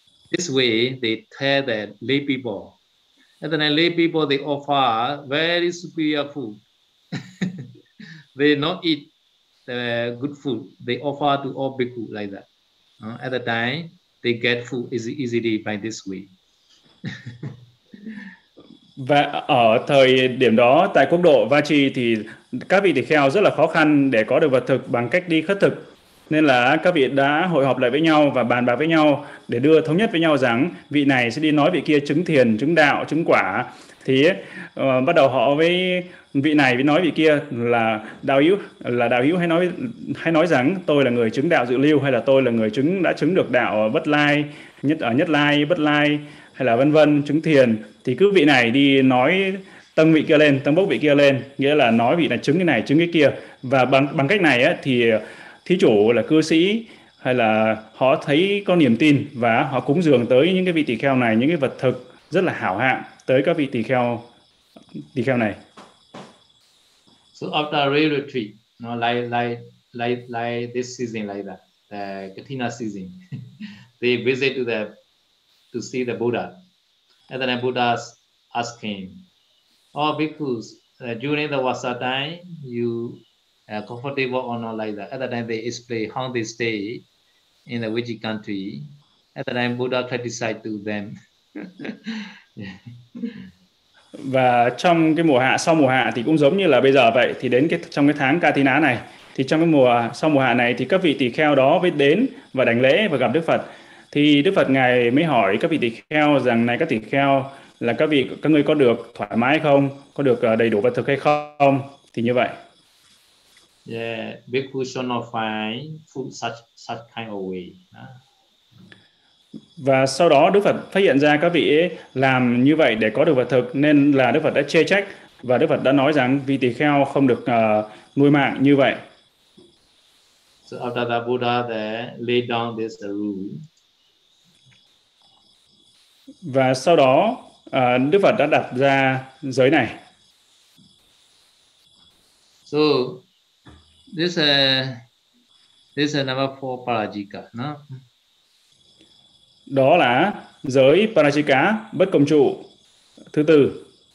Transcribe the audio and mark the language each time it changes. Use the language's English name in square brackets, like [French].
[English] This way, they tell the lay people. And then the lay people, they offer very superior food. They not eat the good food. They offer to all bhikkhu like that. At the time, they get food easily by this way. [Vietnamese] Và ở thời điểm đó tại quốc độ Va Chi thì các vị tỳ kheo rất là khó khăn để có được vật thực bằng cách đi khất thực, nên là các vị đã hội họp lại với nhau và bàn bạc với nhau để đưa thống nhất với nhau rằng vị này sẽ đi nói vị kia chứng thiền, chứng đạo, chứng quả. Thì bắt đầu họ với vị này với nói vị kia là đạo hữu, hay nói rằng tôi là người chứng đạo dự lưu, hay là tôi là người đã chứng được đạo bất lai nhất ở nhất lai bất lai, hay là vân vân chứng thiền. Thì cứ vị này đi nói tâng vị kia lên, tâng bốc vị kia lên, nghĩa là nói vị này chứng cái này chứng cái kia, và bằng bằng cách này á thì thí chủ là cư sĩ hay là họ thấy có niềm tin và họ cúng dường tới những cái vị tỳ kheo này, những cái vật thực rất là hảo hạng tới các vị tỳ kheo này. [English] So after rain retreat, like this season, like that, the Katina season, they visit to see the Buddha. And then the Buddha asked him, oh, because during the Vasa time, you are comfortable or not like that. At the time, they explain how they stay in the Vijay country. At the time, Buddha criticized to them. [Vietnamese] Và trong cái mùa hạ, sau mùa hạ thì cũng giống như là bây giờ vậy, thì đến cái trong cái tháng Katina này, thì trong cái mùa sau mùa hạ này thì các vị tỳ kheo đó mới đến và đảnh lễ và gặp Đức Phật. Thì Đức Phật ngài mới hỏi các vị tỳ kheo rằng: này các tỳ kheo, là các ngươi có được thoải mái không, có được đầy đủ vật thực hay không? Thì như vậy. [English] Bhikkhu shall not find food such kind of way. [Vietnamese] Và sau đó Đức Phật phát hiện ra các vị ấy làm như vậy để có được vật thực, nên là Đức Phật đã chê trách và Đức Phật đã nói rằng vị tỳ kheo không được nuôi mạng như vậy. [English] So after the Buddha there laid down this rule. [Vietnamese] Và sau đó Đức Phật đã đặt ra giới này. [English] So this is number four parajika, no? [Vietnamese] Đó là giới Parajika, bất công trụ thứ tư.